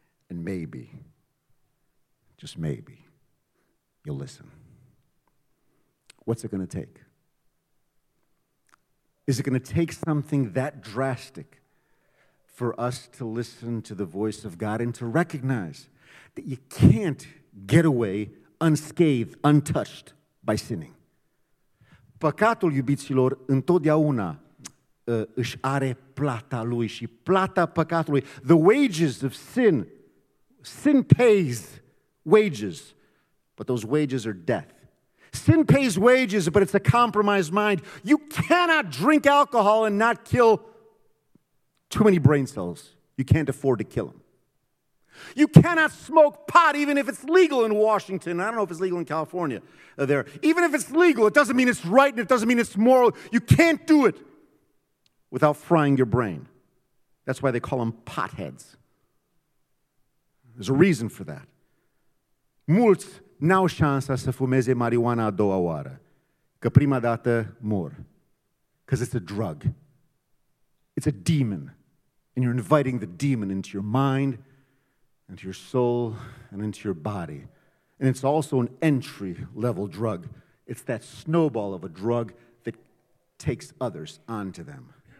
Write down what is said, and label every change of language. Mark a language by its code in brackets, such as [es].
[en] And maybe, just maybe, you'll listen. What's it going to take? Is it going to take something that drastic for us to listen to the voice of God and to recognize that you can't get away unscathed, untouched by sinning? [ro] Păcatul, iubiților, întotdeauna își are plata lui și plata păcatului. [en] The wages of sin. Sin pays wages, but those wages are death. Sin pays wages, but it's a compromised mind. You cannot drink alcohol and not kill too many brain cells. You can't afford to kill them. You cannot smoke pot, even if it's legal in Washington. I don't know if it's legal in California there. Even if it's legal, it doesn't mean it's right and it doesn't mean it's moral. You can't do it without frying your brain. That's why they call them potheads. There's a reason for that. [ro] Mulți n-au șansa să fumeze marijuana a doua oară, că prima dată mor. [en] Because it's a drug. It's a demon. And you're inviting the demon into your mind, into your soul, and into your body. And it's also an entry-level drug. It's that snowball of a drug that takes others onto them.